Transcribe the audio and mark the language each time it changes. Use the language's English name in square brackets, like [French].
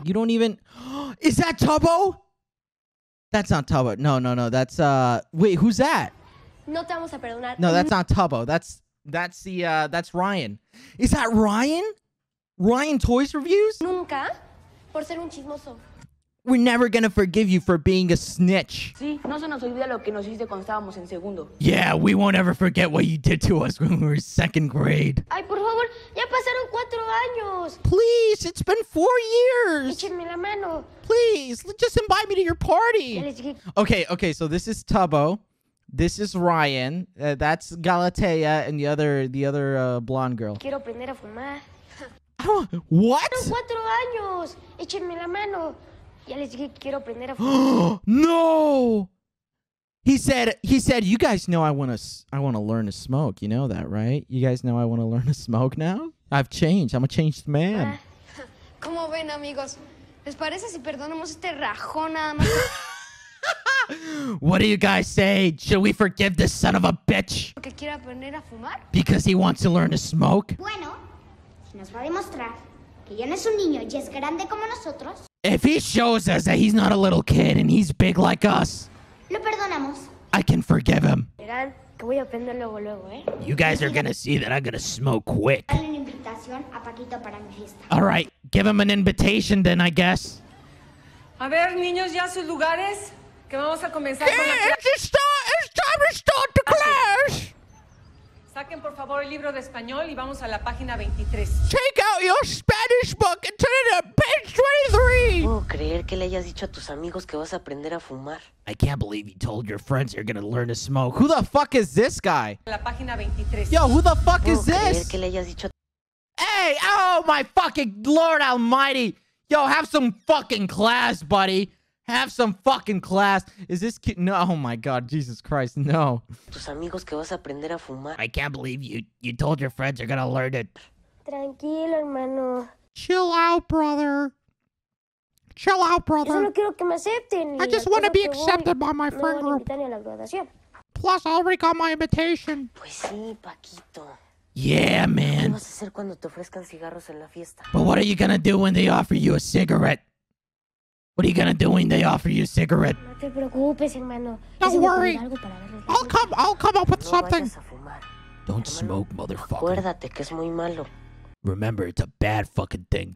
[English] You don't even... Is that Tubbo? That's not Tubbo. No. That's, Wait, who's that? [Spanish] No te vamos a perdonar. [English] No, that's not Tubbo. That's Ryan. Is that Ryan? Ryan Toys Reviews? [Spanish] Nunca, por ser un chismoso. [English] We're never gonna forgive you for being a snitch. [Spanish] Sí, no se nos olvida lo que nos hiciste cuando estábamos en segundo. [English] Yeah, we won't ever forget what you did to us when we were second grade. [Spanish] Ay, por favor, ya pasaron 4 años. [English] Please, it's been 4 years. [Spanish] Échenme la mano. [English] Please, just invite me to your party. Okay, so this is Tubbo. This is Ryan. That's Galatea and the other blonde girl. [Spanish] Quiero aprender a fumar. [English] What? [Spanish] 4 años. Échenme la mano. Ya les dije que quiero aprender a fumar. No. [English] He said, you guys know I want to learn to smoke. You know that, right? You guys know I want to learn to smoke now? I've changed. I'm a changed man. [Spanish] ¿Cómo ven, amigos? ¿Les parece si perdonamos este rajón nada más? [English] What do you guys say? Should we forgive this son of a bitch? [Spanish] Porque quiere aprender a fumar? [English] Because he wants to learn to smoke? [Spanish] Bueno, si nos va a demostrar que ya no es un niño y es grande como nosotros. [English] If he shows us that he's not a little kid and he's big like us. [Spanish] Lo perdonamos. [English] I can forgive him. [Spanish] Verán que voy a aprender luego, ¿eh? [English] You guys are gonna see that I'm gonna smoke quick. [Spanish] Dale una invitación a Paquito para mi fiesta. [English] All right, give him an invitation then, I guess. [Spanish] A ver, niños, ya sus lugares. [English] It's time to start the class. [Spanish] Saquen por favor el libro de español y vamos a la página 23. [English] Take out your Spanish book and turn it to page 23. [Spanish] ¿Puedo creer que le hayas dicho a tus amigos que vas a aprender a fumar? [English] I can't believe you told your friends you're gonna learn to smoke. Who the fuck is this guy? [Spanish] La página 23. [English] Yo, who the fuck is this? [Spanish] ¿Puedo creer que le hayas dicho? [English] Hey, oh my fucking Lord Almighty! Yo, have some fucking class, buddy. Have some fucking class. Is this kid? No, oh my god, Jesus Christ, no. [Spanish] Tus amigos que vas a aprender a fumar. [English] I can't believe you told your friends you're gonna learn it. [Spanish] Tranquilo, hermano. [English] Chill out, brother. [Spanish] Yo solo quiero que me acepten. [English] I just want to be accepted by my friend group. [Spanish] No voy a invitar ni a la graduación. [English] Plus, I already got my invitation. [Spanish] Pues sí, Paquito. [English] Yeah, man. [Spanish] ¿Qué vas a hacer cuando te ofrezcan cigarros en la fiesta? [English] But what are you gonna do when they offer you a cigarette? What are you gonna do when they offer you a cigarette? [Spanish] No te preocupes, hermano. [English] Don't worry. I'll come up with something. Don't smoke, motherfucker. [Spanish] Acuérdate que es muy malo. [English] Remember, it's a bad fucking thing.